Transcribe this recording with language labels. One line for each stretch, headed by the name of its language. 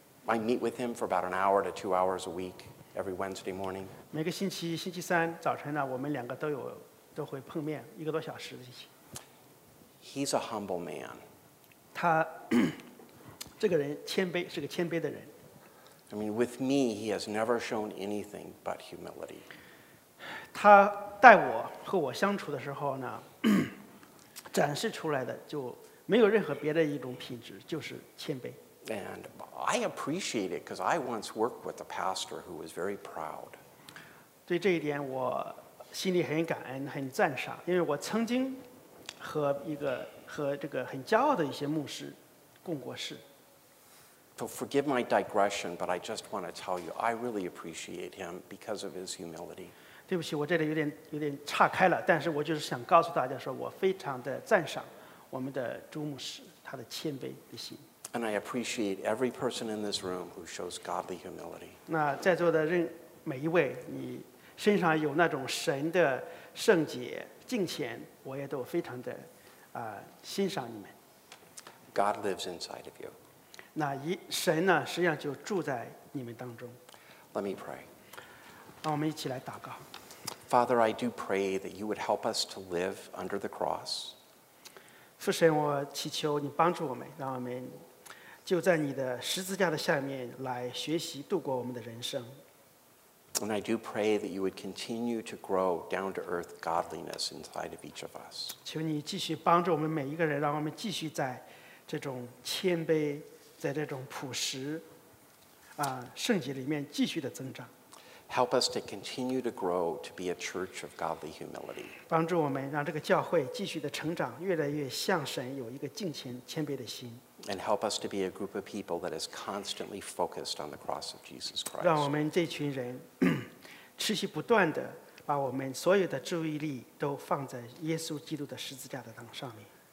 English: I meet with him for about an hour to 2 hours a week every Wednesday morning.
Chinese: 每个星期星期三早晨呢，我们两个都会碰面一个多小时的事情。
English: He's a humble man.
Chinese: 他这个人谦卑，是个谦卑的人。
English: I mean, with me, he has never shown anything but humility.
Chinese: 他带我和我相处的时候呢，展示出来的就没有任何别的一种品质，就是谦卑。
English: And I appreciate it because I once worked with a pastor who was very proud.
Chinese: 对这一点我心里很感恩，很赞赏，因为我曾经和这个很骄傲的一些牧师共过事。
English: So forgive my digression, but I just want to tell you I really appreciate him because of his humility.
Chinese: 对不起，我这里有点岔开了，但是我就是想告诉大家说，我非常的赞赏我们的朱牧师他的谦卑的心。
English: And I appreciate every person in this room who shows godly humility.
Chinese: 那在座的每一位，你身上有那种神的圣洁敬虔，我也都非常的欣赏你们。
English: God lives inside of you.
Chinese: 那神呢，实际上就住在你们当中。
English: Let me pray.
Chinese: 让我们一起来祷告。
English: Father, I do pray that you would help us to live under the cross.
Chinese: 父神，我祈求你帮助我们，让我们就在你的十字架的下面来学习度过我们的人生。
English: And I do pray that you would continue to grow down to earth godliness inside of each of us.
Chinese: 求你继续帮助我们每一个人，让我们继续在这种谦卑，在这种朴实啊圣洁里面继续的增长。
English: Help us to continue to grow to be a church of godly humility.
Chinese: 帮助我们让这个教会继续的成长，越来越向神有一个敬虔谦卑的心。
English: And help us to be a group of people that is constantly focused on the cross of Jesus Christ.
Chinese: 让我们这群人持续不断地把我们所有的注意力都放在耶稣基督的十字架的上面。